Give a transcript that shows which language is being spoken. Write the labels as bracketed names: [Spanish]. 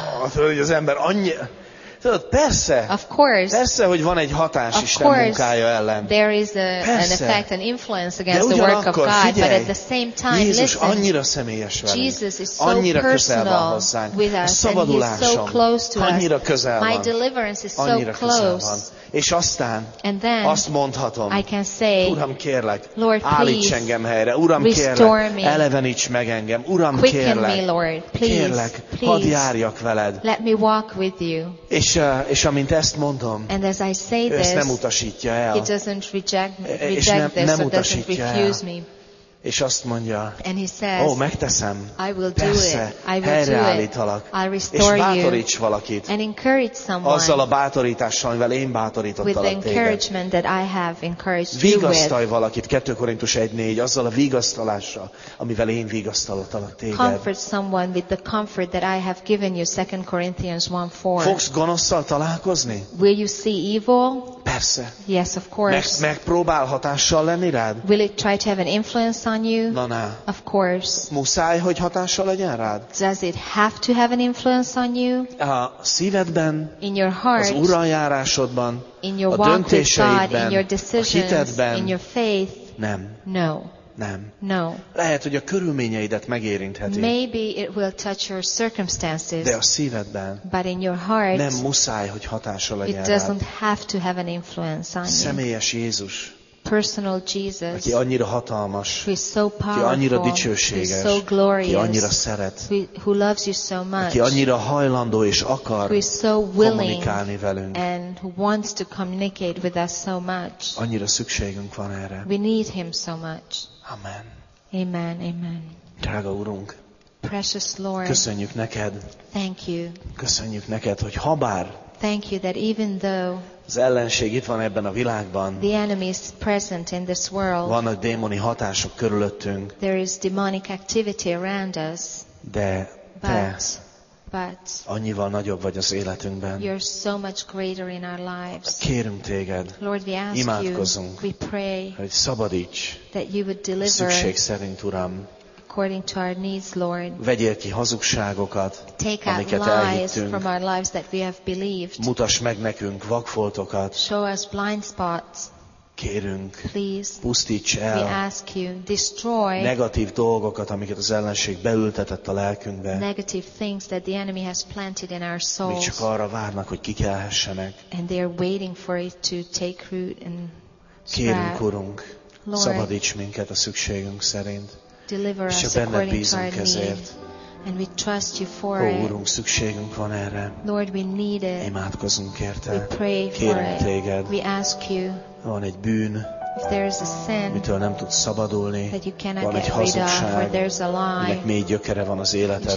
[Hungarian] Tudod, hogy az ember annyi... Tudod, persze. [English] Of course. [Hungarian] Persze, hogy van egy hatás Isten munkája ellen. [English] There is an effect, an influence against the work of God. [Hungarian] Figyelj, [English] but at the same time, [Hungarian] Jézus [English] listen, [Hungarian] annyira személyes velünk. [English] Jesus is so [Hungarian] annyira [English] personal [Hungarian] közel van hozzánk. [English] With us, [Hungarian] a szabadulásom. [English] And he is so close to [Hungarian] annyira [English] us. [Hungarian] Közel van. [English] My deliverance is so [Hungarian] annyira [English] close. [Hungarian] Közel van. És aztán [English] and then, [Hungarian] azt mondhatom, [English] I can say, [Hungarian] Uram, kérlek, [English] Lord, [Hungarian] állíts [English] please, [Hungarian] engem helyre. Uram, [English] restore [Hungarian] kérlek, [English] me. [Hungarian] Eleveníts meg engem. Uram, [English] quicken [Hungarian] kérlek, [English] me, Lord, please, [Hungarian] kérlek, [English] please, [Hungarian] hadd járjak veled. [English] Let me walk with you. [Hungarian] És amint ezt mondom, [English] and as I say [Hungarian] ő [English] this, [Hungarian] ezt nem utasítja el. [English] He doesn't reject this, or doesn't refuse me. [Hungarian] És azt mondja, [English] and he says, [Hungarian] oh, megteszem, [English] I will [Hungarian] persze, [English] do it. I will [Hungarian] helyreállítalak, [English] do it. I'll restore [Hungarian] és bátoríts valakit, [English] and encourage someone [Hungarian] azzal a bátorítással, amivel én bátorítottalak [English] téged. That I have encouraged [Hungarian] vigasztalj [English] you [Hungarian] valakit, 2 Korintus 1:4, azzal a vigasztalással, amivel én vigasztalottalak téged. [English] Comfort someone with the comfort that I have given you, 2 Corinthians 1:4. [Hungarian] Fogsz gonoszsal találkozni? [English] Will you see evil? [Hungarian] Persze. [English] Yes, of course. [Hungarian] Megpróbál hatással lenni rád? [English] Will it try to have an influence on you? [Hungarian] Na. [English] Of course. [Hungarian] Muszáj, hogy hatással legyen rád? [English] Does it have to have an influence on you? [Hungarian] A szívedben, [English] in your heart, [Hungarian] az uralljárásodban, [English] in your [Hungarian] a [English] walk [Hungarian] döntéseidben, [English] with God, in your decisions, [Hungarian] a hitedben, [English] in your faith, [Hungarian] nem. [English] No. [Hungarian] Nem. [English] No. [Hungarian] Lehet, hogy a körülményeidet megérintheti. [English] Maybe it will touch your circumstances. [Hungarian] De a szívedben. [English] But in your heart. [Hungarian] Nem muszáj, hogy hatással legyen [English] it doesn't [Hungarian] rád. [English] Have to have an influence on [Hungarian] személyes [English] you. [Hungarian] Jézus. [English] personal Jesus, [Hungarian] aki annyira hatalmas, [English] who is so powerful, [Hungarian] aki annyira dicsőséges, [English] who is so glorious, [Hungarian] aki annyira szeret, [English] who loves you so much, [Hungarian] aki annyira hajlandó és akar kommunikálni velünk, [English] and who wants to communicate with us so much. [Hungarian] Annyira szükségünk van erre. [English] We need him so much. [Hungarian] Amen. [English] Amen, amen. [Hungarian] Drága Urunk, [English] precious Lord, [Hungarian] köszönjük neked. [English] Thank you. [Hungarian] Köszönjük neked, hogy habár [English] thank you that even though [Hungarian] az ellenség itt van ebben a világban, [English] the enemy is present in this world, [Hungarian] vannak démoni hatások körülöttünk, [English] there is demonic activity around us, [Hungarian] de [English] but [Hungarian] annyival nagyobb vagy az életünkben. [English] You're so much greater in our lives. [Hungarian] Kérünk téged, [English] Lord, we ask [Hungarian] imádkozunk, [English] you, we pray, [Hungarian] hogy szabadíts, [English] that you would deliver, [Hungarian] szükség szerint, Uram, [English] according to our needs, Lord. [Hungarian] Vegyél ki hazugságokat, [English] take [Hungarian] amiket [English] out lies [Hungarian] elhittünk, [English] from our lives that we have believed. [Hungarian] Mutass meg nekünk vakfoltokat. [English] Show us blind spots. [Hungarian] Kérünk, [English] please, [Hungarian] pusztíts el, [English] we ask you, destroy [Hungarian] negatív dolgokat, amiket az ellenség beültetett a lelkünkbe. [English] Negative things that the enemy has planted in our souls. [Hungarian] Még csak arra várnak, hogy kikelhessenek. [English] And they are waiting for it to take root and [Hungarian] kérünk, Urunk, szabadíts minket a szükségünk szerint. [English] Deliver us according to our need. And we trust you for it. [Hungarian] Ó, Urunk, szükségünk van erre. [English] Lord, we need it. [Hungarian] Imádkozunk érte. [English] We pray for [Hungarian] kérünk [English] it. [Hungarian] Téged. [English] We ask you. [Hungarian] Van egy bűn, [English] if there is a sin, [Hungarian] mitől nem tudsz szabadulni, [English] that you cannot [Hungarian] van [English] get [Hungarian] egy hazugság, [English] rid of, for there's a lie, [Hungarian] aminek mély gyökere van az életedben,